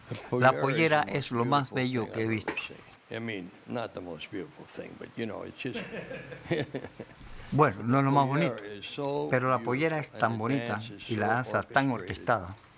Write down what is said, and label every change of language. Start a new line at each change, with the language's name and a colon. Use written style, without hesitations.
Spanish: La pollera es lo más bello que he visto.
English: I mean, not the most beautiful thing, but you know, it's just.
Spanish: Bueno, no es lo más bonito, pero la pollera es tan bonita y la danza tan orquestada.